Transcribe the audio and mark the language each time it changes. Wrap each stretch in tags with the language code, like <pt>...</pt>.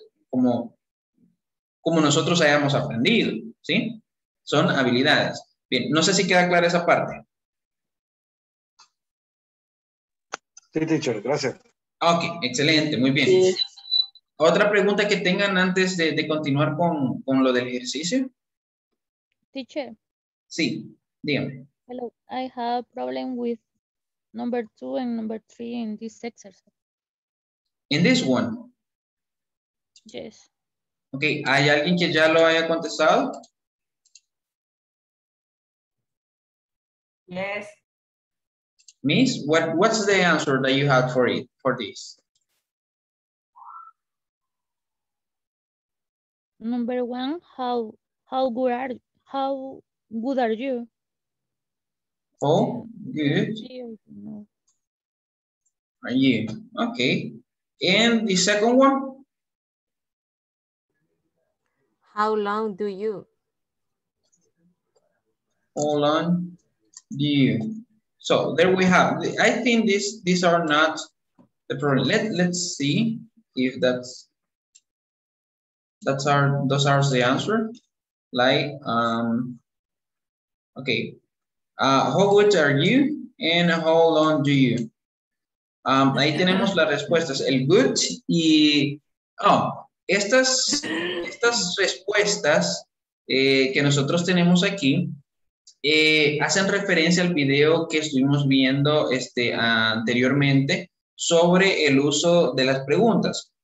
<es>como nosotros hayamos aprendido, ¿sí? Son habilidades. Bien, no sé si queda clara esa parte. Sí, teacher, gracias. Ok, excelente, muy bien. Sí. ¿Otra pregunta que tengan antes de continuar con lo del ejercicio?</es> <en>Teacher.</en> <es>Sí, dígame.</es> <en>Hello, I have a problem with number 2 and number 3 in this exercise. In this one? Yes.</en> <es>Ok, ¿hay alguien que ya lo haya contestado?</es> <en>Yes. Miss, what's the answer that you had for it, for this? Number one, how good are you? Oh, good. Are you? Okay. And the second one? How long do you? Hold on. Do you? So there we have, I think these are not the problem. Let's see if those are the answer. Like, okay, how good are you and how long do you?</en> <es>Ahí tenemos las respuestas, el good y, oh, estas respuestas que nosotros tenemos aquí, hacen referencia al video que estuvimos viendo anteriormente sobre el uso de las preguntas.</es>